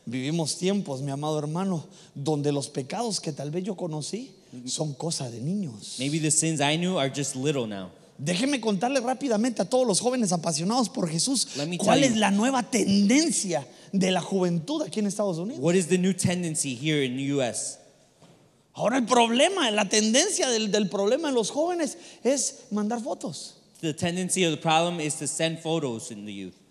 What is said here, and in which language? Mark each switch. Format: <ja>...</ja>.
<es>Vivimos tiempos, mi amado hermano, donde los pecados que tal vez yo conocí son cosa de niños.</es> <en>Maybe the sins I knew are just little now.</en> <es>Déjeme contarle rápidamente a todos los jóvenes apasionados por Jesús cuál es la nueva tendencia de la juventud aquí en Estados Unidos.</es> <en>What is the new tendency here in the US?</en> <es>Ahora el problema, la tendencia del problema de los jóvenes es mandar fotos.</es> <en>The tendency of the problem is to send photos in the youth.</en>